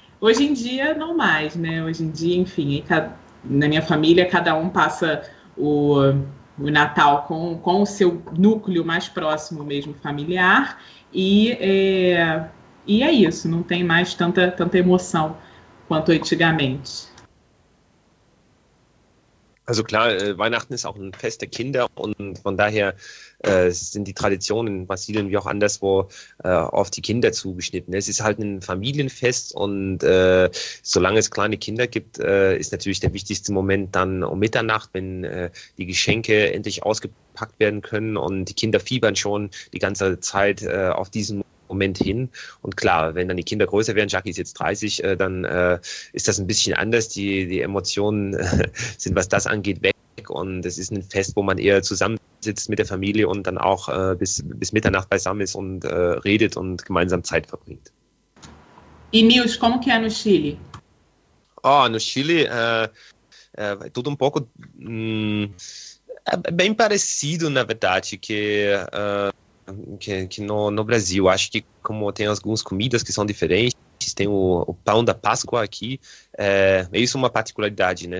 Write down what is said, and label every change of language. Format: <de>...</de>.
<pt>Hoje em dia, não mais, né? Hoje em dia, enfim, na minha família, cada um passa o Natal com o seu núcleo mais próximo mesmo familiar. E é isso, não tem mais tanta emoção quanto antigamente.</pt> <de>Also klar, Weihnachten ist auch ein Fest der Kinder und von daher sind die Traditionen in Brasilien wie auch anderswo auf die Kinder zugeschnitten. Es ist halt ein Familienfest und solange es kleine Kinder gibt, ist natürlich der wichtigste Moment dann um Mitternacht, wenn die Geschenke endlich ausgepackt werden können und die Kinder fiebern schon die ganze Zeit auf diesen Moment hin. Und klar, wenn dann die Kinder größer werden, Jackie ist jetzt 30, dann ist das ein bisschen anders. Die Emotionen sind, was das angeht, weg. Und es ist ein Fest, wo man eher zusammensitzt mit der Familie und dann auch bis Mitternacht beisammen ist und redet und gemeinsam Zeit verbringt.</de> <pt>E Nils, como que é no Chile? Oh, no Chile, tudo um pouco bem parecido, na verdade, que no Brasil. Acho que como tem algumas comidas que são diferentes, tem o pão da Páscoa aqui, isso é uma particularidade, né?</pt>